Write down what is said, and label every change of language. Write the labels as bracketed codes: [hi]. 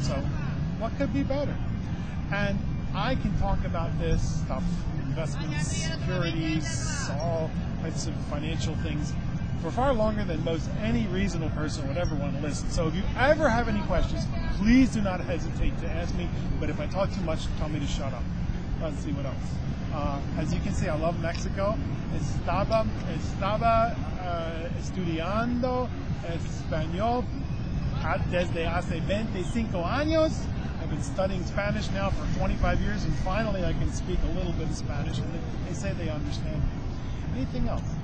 [en] So what could be better? And I can talk about this stuff, investments, securities, all types of financial things, for far longer than most any reasonable person would ever want to listen. So if you ever have any questions, please do not hesitate to ask me. But if I talk too much, tell me to shut up. Let's see what else. As you can see, I love Mexico. [es] Estaba estudiando español desde hace 25 años. [en] I've been studying Spanish now for 25 years, and finally I can speak a little bit of Spanish, and they say they understand me. Anything else?